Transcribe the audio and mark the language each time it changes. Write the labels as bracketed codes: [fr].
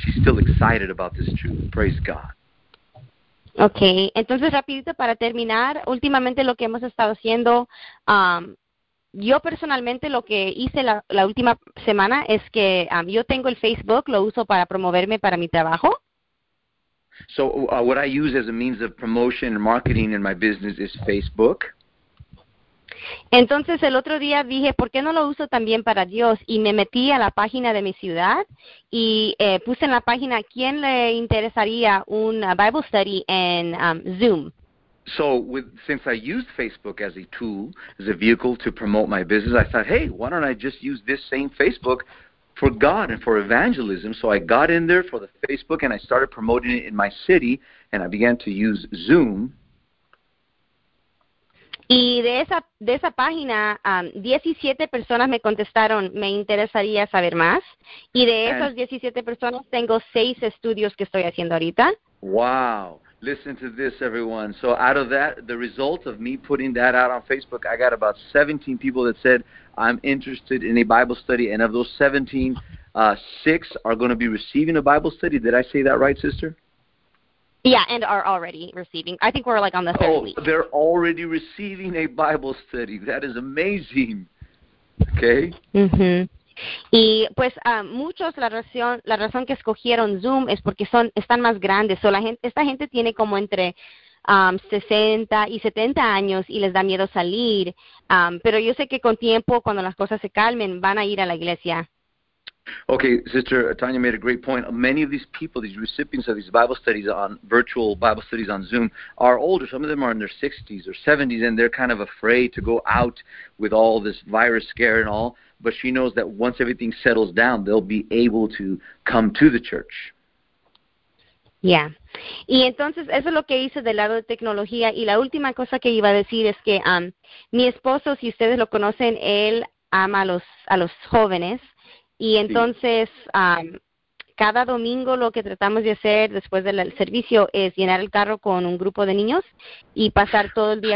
[en] She's still excited about this truth. Praise God. [es] Okay, entonces rapidito para terminar, últimamente lo que hemos estado haciendo, yo personalmente lo que hice la última semana es que yo tengo el Facebook, lo uso para promoverme para mi trabajo. [en] So what I use as a means of promotion and marketing in my business is Facebook. [es] Entonces el otro día dije, ¿por qué no lo uso también para Dios? Y me metí a la página de mi ciudad y puse en la página, ¿quién le interesaría un [en] Bible study [es] en Zoom? [en] So since I used Facebook as a tool, as a vehicle to promote my business, I thought, hey, why don't I just use this same Facebook for God and for evangelism? So I got in there for the Facebook and I started promoting it in my city and I began to use Zoom. [es] Y de esa página, 17 personas me contestaron, me interesaría saber más. Y de esas 17 personas, tengo 6 estudios que estoy haciendo ahorita. [en] Wow. Listen to this, everyone. So out of that, the result of me putting that out on Facebook, I got about 17 people that said, I'm interested in a Bible study. And of those 17, 6 are going to be receiving a Bible study. Did I say that right, sister? Yeah, and are already receiving. I think we're like on the third week. Oh, they're already receiving a Bible study. That is amazing. Okay. [es] Y pues muchos la razón que escogieron Zoom es porque están más grandes. So esta gente tiene como entre 60 y 70 años y les da miedo salir. Pero yo sé que con tiempo, cuando las cosas se calmen, van a ir a la iglesia. [en] Okay, Sister Tanya made a great point. Many of these people, these recipients of these Bible studies on virtual Bible studies on Zoom, are older. Some of them are in their 60s or 70s, and they're kind of afraid to go out with all this virus scare and all. But she knows that once everything settles down, they'll be able to come to the church. Yeah. [es] Y entonces eso es lo que hice del lado de tecnología. Y la última cosa que iba a decir es que mi esposo, si ustedes lo conocen, él ama a los jóvenes. Y entonces, cada domingo lo que tratamos de hacer después del servicio es llenar el carro con un grupo de niños y pasar todo el día